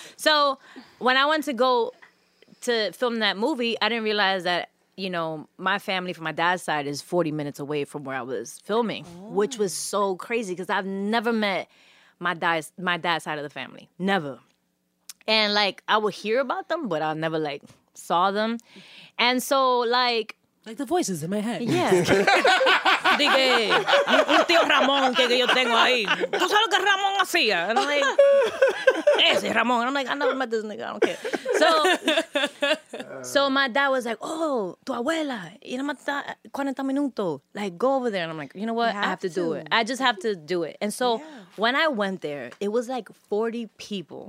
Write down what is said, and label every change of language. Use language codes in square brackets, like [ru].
[en] So, when I went to go to film that movie, I didn't realize that, you know, my family from my dad's side is 40 minutes away from where I was filming, which was so crazy because I've never met my dad's side of the family. Never. And, like, I would hear about them, but I never, like, saw them. And so, like... Like the voices in my head. Yeah. [es] Dije, un tío Ramón que yo tengo ahí. ¿Tú sabes lo que Ramón hacía? [en] And I'm like, [es] ese Ramón. [en] And I'm like, I never met this nigga. I don't care. So my dad was like, oh, [es] tu abuela. Y no mata 40 minutos. [en] Like, go over there. And I'm like, you know what? I have to do it. I just have to do it. And so when I went there, it was like 40 people.